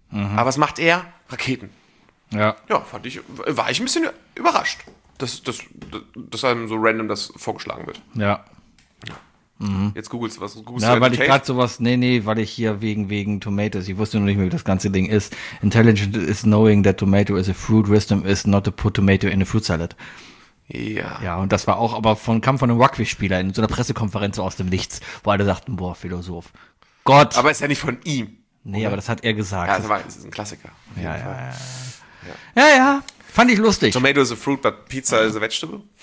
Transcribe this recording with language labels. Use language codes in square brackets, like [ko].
[de] Mhm. Aber was macht er? Raketen. Ja. Ja, war ich ein bisschen überrascht, dass einem so random das vorgeschlagen wird. Ja. Mhm. Jetzt googelst du was. Ja, weil ich gerade sowas, nee, weil ich hier wegen Tomatoes, ich wusste noch nicht mehr, wie das ganze Ding ist. [en] Intelligent is knowing that tomato is a fruit, wisdom is not to put tomato in a fruit salad. [de] Ja. Ja, und das war auch, aber kam von einem Rugby-Spieler in so einer Pressekonferenz aus dem Nichts, wo alle sagten, boah, Philosoph. Gott. Aber ist ja nicht von ihm. Nee, oder? Aber das hat er gesagt. Ja, das ist ein Klassiker. Ja, fand ich lustig. [en] Tomato is a fruit, but pizza is a vegetable.